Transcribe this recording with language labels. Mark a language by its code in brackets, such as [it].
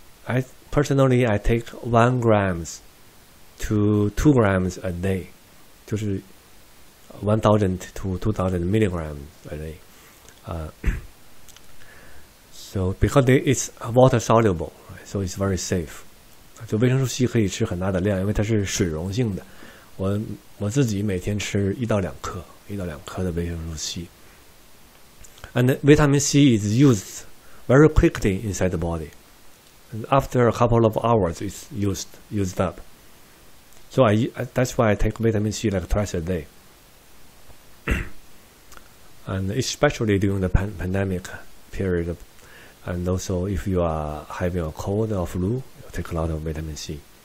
[en] I personally take 1 gram to 2 grams a day. 1,000 to 2,000 milligrams a day. So because it's water soluble, right, so it's very safe. [zh] 就维生素 C 可以吃很大的量，因为它是水溶性的。我自己每天吃一到两颗的维生素 C. [en] And vitamin C is used very quickly inside the body. And after a couple of hours, it's used up. So that's why I take vitamin C like twice a day. And especially during the pandemic period, and also if you are having a cold or flu, you take a lot of vitamin C.